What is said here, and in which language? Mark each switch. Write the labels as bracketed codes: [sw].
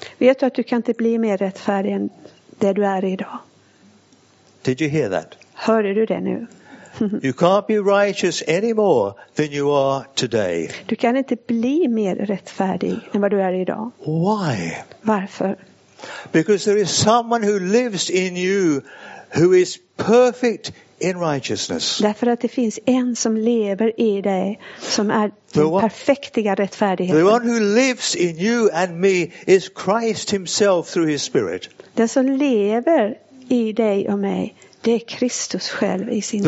[sv] Vet du att du kan inte bli mer rättfärdig än det du är idag? [en] Did you hear that? [sv] Hörde du det nu? [en] You can't be righteous any more than you are today. [sv] Du kan inte bli mer rättfärdig än vad du är idag. [en] Why? [sv] Varför? [en] Because there is someone who lives in you who is perfect in righteousness. [sv] Därför att det finns en som lever i dig som är den perfektiga rättfärdigheten. [en] The one who lives in you and me is Christ himself through his spirit. [sv] Den som lever i dig och mig, det är Kristus själv i sin